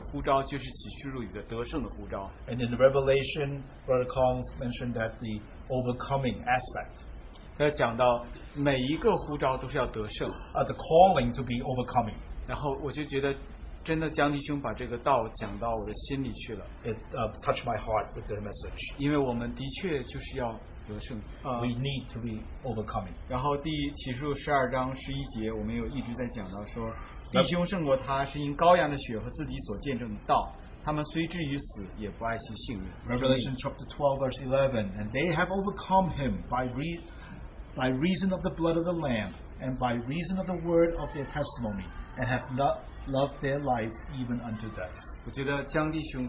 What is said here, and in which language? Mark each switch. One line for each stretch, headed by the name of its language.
Chinese: 然后江弟兄也提到说启示录里最后神主在教会里的呼召就是启示录里的得胜的呼召。
English: And in the Revelation, Brother Carl mentioned that the overcoming aspect.
Chinese: 要讲到每一个呼召都是要得胜
English: the calling to be overcoming.
Chinese: 然后我就觉得真的江弟兄把这个道讲到我的心里去了。
English: It touched my heart with their message.
Chinese: 因为我们的确就是要得胜
English: We need to be overcoming.
Chinese: 然后第启示录12章11节我们有一直在讲到说弟兄胜过他是因羔羊的血和自己所见证的道 他们虽至于死也不爱惜性命。
English: Revelation chapter 12 verse 11 And they have overcome him by reason of the blood of the Lamb, and by reason of the word of their testimony, and have not loved their life even unto death.